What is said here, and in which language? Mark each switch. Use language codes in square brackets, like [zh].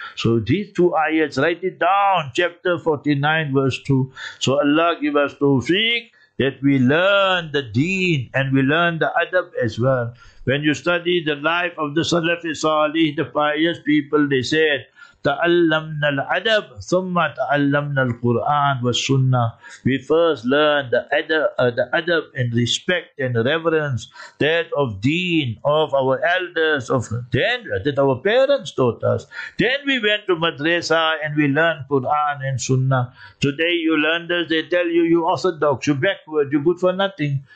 [en] So these two ayats, write it down, chapter 49 verse 2. So Allah give us tawfiq, that we learn the deen and we learn the adab as well. When you study the life of the Salafi Salih, the pious people, they said, [ar] تعلمنا الأدب ثم تعلمنا القرآن والسنة. [en] We first learned the adab and respect and reverence that of deen, of our elders, of then that our parents taught us. Then we went to madrasa and we learned Quran and Sunnah. Today you learners, they tell you, you orthodox, you backward, you good for nothing.